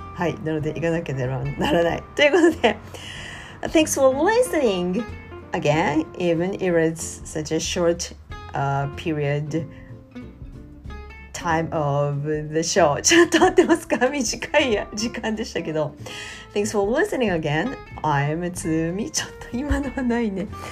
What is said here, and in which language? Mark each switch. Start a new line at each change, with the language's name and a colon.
Japanese: はい、なので行かなきゃならない。ということで、
English: Thanks for listening again, even if it's such a short period time of the show.
Japanese: ちゃんと合ってますか? 短い時間でしたけど。
English: Thanks for listening again. I'm Tsumi.
Japanese: ちょっと今のはないね。